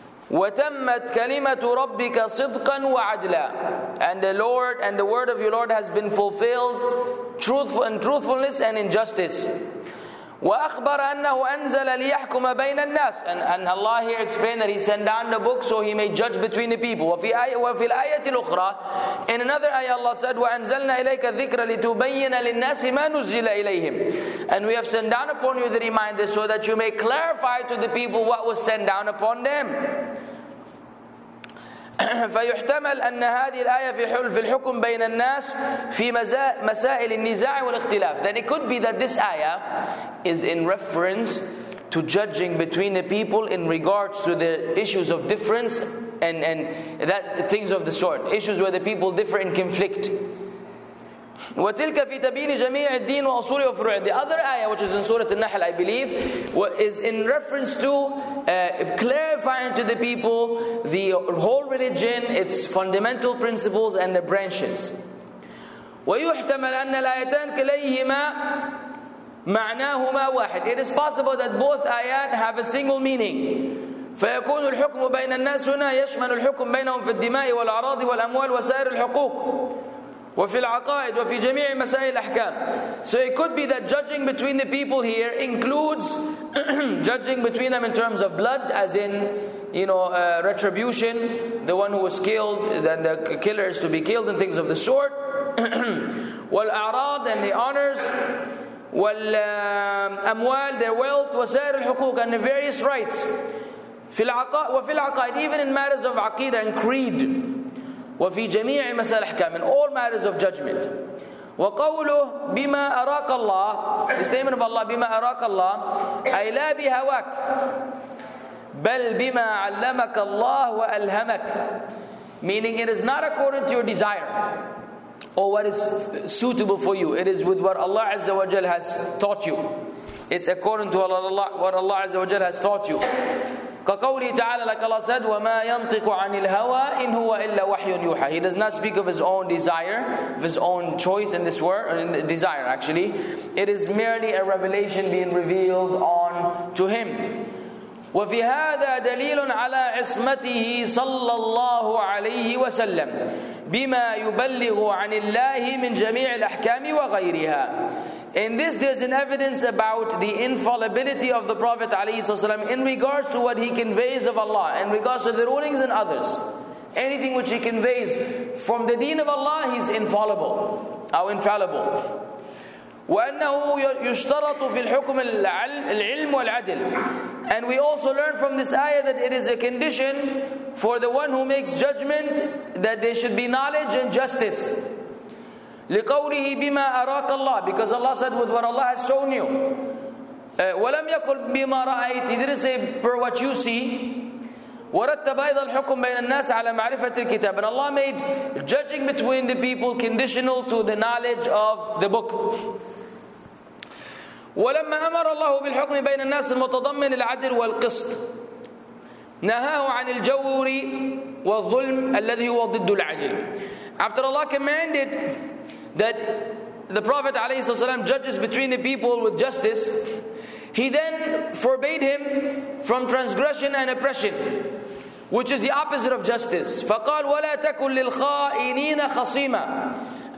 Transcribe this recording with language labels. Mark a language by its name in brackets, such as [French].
[Arabic] وَتَمَّتْ كَلِمَةُ رَبِّكَ صِدْقًا وَعَدْلًا. [English] And the Lord, and the word of your Lord has been fulfilled truthful, in truthfulness and in justice. [Arabic] وَأَخْبَرَ أَنَّهُ أَنزَلَ لِيَحْكُمَ بَيْنَ النَّاسِ. [English] And Allah here explained that He sent down the book so He may judge between the people. [Arabic] وَفِي الْآيَةِ الْأُخْرَى. [English] In another ayah, Allah said, [Arabic] وَأَنزَلْنَا إِلَيْكَ الذِّكْرَ لِتُبَيِّنَ لِلنَّاسِ مَا نُزِّلَ إِلَيْهِمْ. [English] And we have sent down upon you the reminder so that you may clarify to the people what was sent down upon them. [Arabic] فيحتمل أن هذه الآية في الحكم بين الناس في مسائل النزاع والاختلاف. [English] Then it could be that this ayah is in reference to judging between the people in regards to the issues of difference and that things of the sort, issues where the people differ in conflict. [Arabic] وتلك في تبين جميع الدين وأصوله وفروعه. [English] The other ayah, which is in Surah An-Nahl, I believe, is in reference to clarifying to the people the whole religion, its fundamental principles and the branches. [Arabic] ويحتمل أن الآيتان كليهما معناهما واحد. [English] It is possible that both ayat have a single meaning. [Arabic] فيكون الحكم بين الناس هنا يشمل الحكم بينهم في الدماء والأعراض والأموال وسائر الحقوق. وفي العقائد وفي جميع مسائل الأحكام. [English] So it could be that judging between the people here includes judging between them in terms of blood, as in, you know, retribution, the one who was killed, then the killer is to be killed, and things of the sort. [Arabic] والأعراض [English] and the honors. [Arabic] والأموال, [English] their wealth. [Arabic] وسائر الحقوق [English] and the various rights. [Arabic] في العقائد وفي العقائد, [English] even in matters of عقيدة and creed. [Arabic] وفي جميع مسائل الأحكام, [English] in all matters of judgment. [Arabic] وقوله بما أراك الله, [English] the statement of Allah, [Arabic] بما أراك الله, أي لا بهواك, بل بما علمك الله وألهمك. [English] Meaning it is not according to your desire or what is suitable for you. It is with what Allah Azza wa Jal has taught you. It's according to what Allah Azza wa Jal has taught you. [Arabic] كقوله تعالى, [English] like Allah said, [Arabic] وما ينطق عن الهوى إن هو إلا وحي يوحى. [English] He does not speak of his own desire, of his own choice in this world, or in desire actually. It is merely a revelation being revealed on to him. [Arabic] وفي هذا دليل على عصمته صلى الله عليه وسلم بما يبلغ عن الله من جميع الأحكام وغيرها. [English] In this, there's an evidence about the infallibility of the Prophet ﷺ in regards to what he conveys of Allah, in regards to the rulings and others. Anything which he conveys from the deen of Allah, he's infallible. How infallible. [Arabic] وَأَنَّهُ يُشْتَرَطُ فِي الْحُكُمِ الْعِلْمُ وَالْعَدْلِ. [English] And we also learn from this ayah that it is a condition for the one who makes judgment that there should be knowledge and justice. [Arabic] لقوله بما أراك الله, [English] because Allah said with what Allah has shown you. [Arabic] ولم يقل بما رأيت, [English] he didn't say per what you see. [Arabic] ورتب أيضا الحكم بين الناس على معرفة الكتاب. [English] And Allah made judging between the people conditional to the knowledge of the book. [Arabic] ولما أمر الله بالحكم بين الناس المتضمن العدل والقسط نهاه عن الجور والظلم الذي هو ضد العدل. [English] After Allah commanded that the Prophet ﷺ judges between the people with justice, he then forbade him from transgression and oppression, which is the opposite of justice. [Arabic] فقال ولا تكن للخائنين خصيما.